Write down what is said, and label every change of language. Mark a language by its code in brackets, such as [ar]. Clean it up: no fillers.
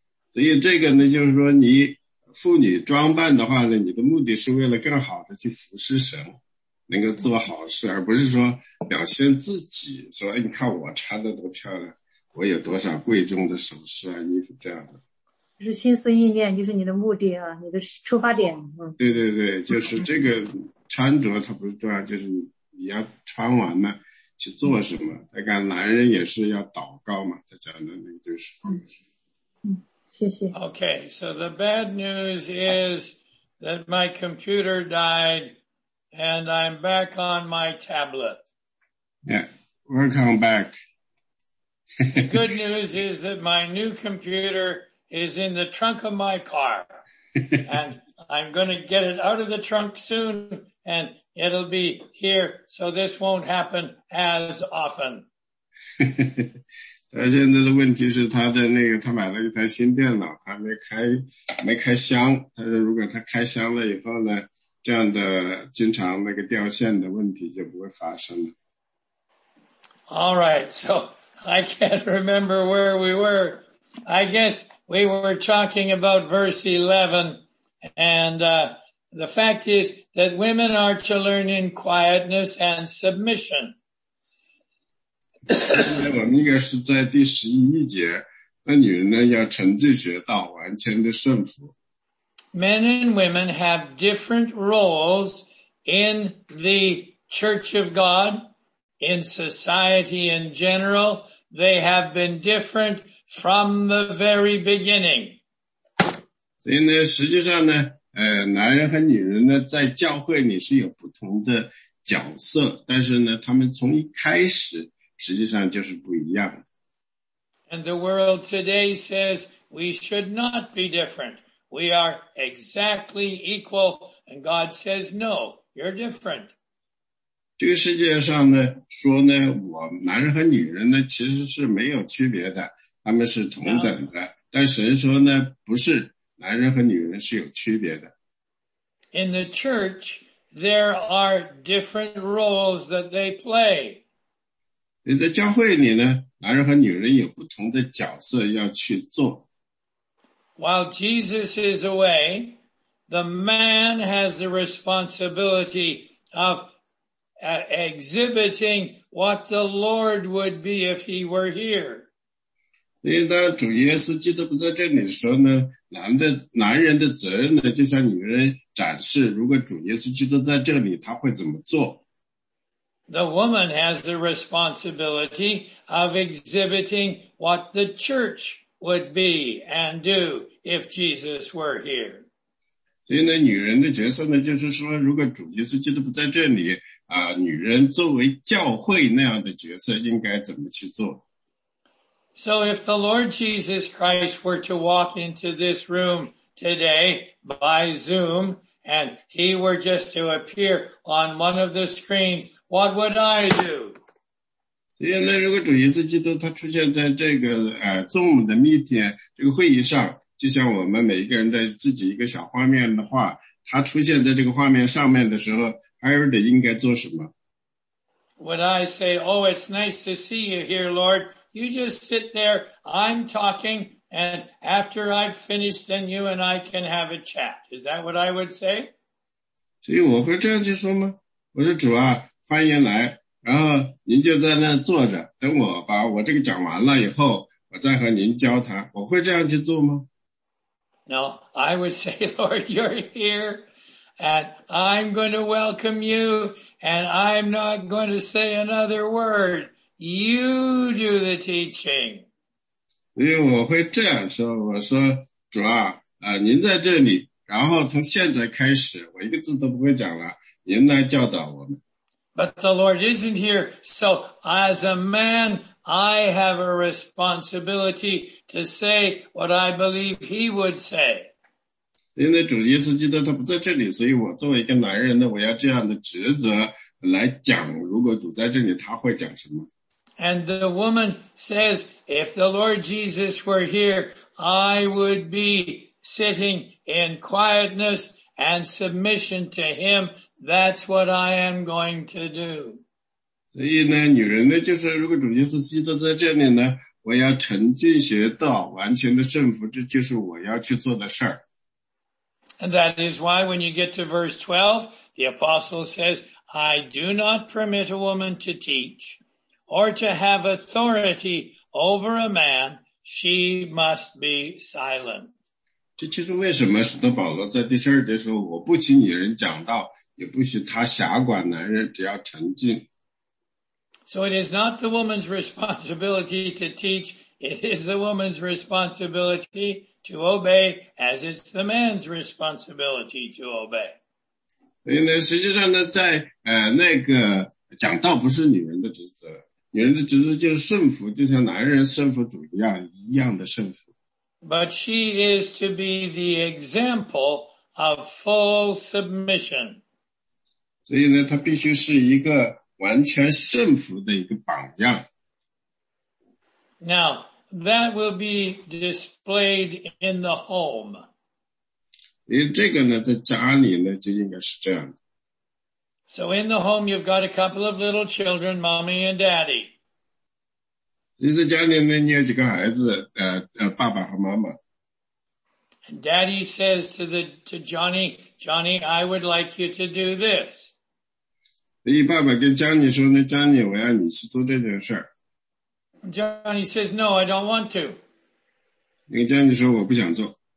[zh] 所以这个呢就是说你妇女装扮的话呢，你的目的是为了更好的去服侍神，能够做好事，而不是说表现自己，说你看我穿的多漂亮，我有多少贵重的首饰啊衣服这样的。就是心思意念，就是你的目的啊，你的出发点。对对对，就是这个穿着它不是重要，就是你要穿完了去做什么。大概男人也是要祷告嘛，他讲的那个就是。谢谢。 [en] Okay, so the bad news is that my computer died and I'm back on my tablet. Yeah, welcome back. The good news is that my new computer is in the trunk of my car. And I'm going to get it out of the trunk soon, and it'll be here, so this won't happen as often. [zh] 他现在的问题是他的那个，他买了一台新电脑，他没开箱。他说如果他开箱了以后呢，这样的经常那个掉线的问题就不会发生了。 [en] All right, so I can't remember where we were. I guess we were talking about verse 11. And the fact is that women are to learn in quietness and submission. [zh] 我们应该是在第十一节，那女人呢要沉浸学道，完全的顺服。 [en] Men and women have different roles in the Church of God, in society in general. They have been different from the very beginning. [zh] 所以呢，实际上呢，男人和女人呢，在教会里是有不同的角色，但是呢，他们从一开始实际上就是不一样。 [en] And the world today says we should not be different. We are exactly equal, and God says no, you're different. [zh] 这个世界上呢，说呢，我男人和女人呢，其实是没有区别的，他们是同等的。但神说呢，不是，男人和女人是有区别的。 [en] In the church, there are different roles that they play. [zh] 在教会里呢，男人和女人有不同的角色要去做。 [en] While Jesus is away, the man has the responsibility of exhibiting what the Lord would be if he were here. [zh] 因为当主耶稣基督不在这里的时候呢，男人的责任呢，就向女人展示，如果主耶稣基督在这里，他会怎么做。 [en] The woman has the responsibility of exhibiting what the church would be and do if Jesus were here. [zh] 所以呢，女人的角色呢，就是说，如果主耶稣基督不在这里，啊，女人作为教会那样的角色，应该怎么去做？ [en] So if the Lord Jesus Christ were to walk into this room today by Zoom, and he were just to appear on one of the screens,What would I do? [zh] 所以呢，如果主耶稣基督他出现在这个Zoom的 meeting 这个会议上，就像我们每一个人的自己一个小画面的话，他出现在这个画面上面的时候 ，Harold 应该做什么 [en] ？Would I say, "Oh, it's nice to see you here, Lord. You just sit there. I'm talking, and after I've finished, then you and I can have a chat." Is that what I would say? [zh] 所以我会这样去说吗？我说主啊。欢迎来，然后您就在那坐着，等我把我这个讲完了以后，我再和您交谈。我会这样去做吗 [en] ？No, I would say, Lord, you're here, and I'm going to welcome you, and I'm not going to say another word. You do the teaching. [zh] 所以我会这样说，我说主啊，您在这里，然后从现在开始，我一个字都不会讲了，您来教导我们。 [en] But the Lord isn't here, so as a man, I have a responsibility to say what I believe he would say. [zh] 因为主耶稣基督他不在这里，所以我作为一个男人呢，我要这样的职责来讲，如果主在这里，他会讲什么。 [en] And the woman says, if the Lord Jesus were here, I would be sitting in quietness and submission to him. That's what I am going to do. [zh] 所以呢，女人呢，就是如果主耶稣基督在这里呢，我要沉浸学道，完全的顺服，这就是我要去做的事儿。 [en] And that is why when you get to verse 12, the apostle says, I do not permit a woman to teach or to have authority over a man. She must be silent. [zh] 这就是为什么使徒保罗在第十二节说，我不许女人讲道。也不许他辖管男人，只要沉静。 [en] So it is not the woman's responsibility to teach; it is the woman's responsibility to obey, as it's the man's responsibility to obey. [zh] 所以呢，实际上呢，在那个讲道不是女人的职责，女人的职责就是顺服，就像男人顺服主一样的顺服。 [en] But she is to be the example of full submission. [zh] 所以呢，他必须是一个完全顺服的一个榜样。 [en] Now, that will be displayed in the home. [zh] 因为这个呢，在家里呢，就应该是这样。 [en] So in the home, you've got a couple of little children, mommy and daddy. [zh] 你在家里呢，你有几个孩子，爸爸和妈妈。 [en] And daddy says to Johnny, Johnny, I would like you to do this. [zh] 所以爸爸跟 Johnny 说呢 ,Johnny, 我要你去做这件事儿。 [en] Johnny says, no, I don't want to. [zh] 跟 Johnny 说我不想做。